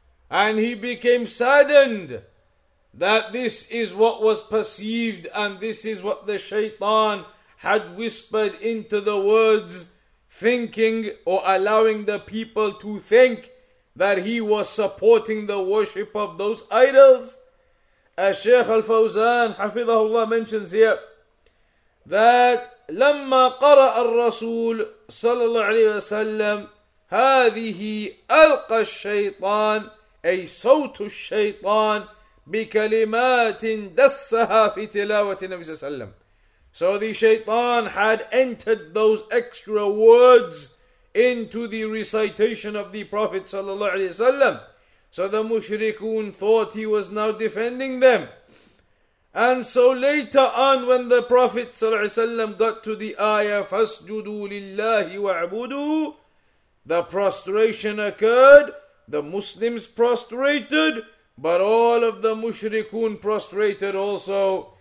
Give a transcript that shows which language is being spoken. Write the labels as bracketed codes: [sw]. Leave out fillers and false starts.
[en] and he became saddened that this is what was perceived and this is what the shaitan had whispered into the words, thinking or allowing the people to think that he was supporting the worship of those idols. As Shaykh Al-Fawzan, hafidhahullah, mentions here, that [ar] لَمَّا قَرَأَ الرَّسُولُ صلى الله عليه وسلم هذه ألقى الشيطان أي صوت الشيطان بكلمات دسها في تلاوة النبي صلى الله عليه وسلم. [en] So the shaitan had entered those extra words into the recitation of the Prophet sallallahu alaihi wasallam. So the mushrikun thought he was now defending them. And so later on, when the Prophet sallallahu alaihi wasallam got to the ayah fasjudu lillahi wa'budu, the prostration occurred, the Muslims prostrated, but all of the mushrikun prostrated also.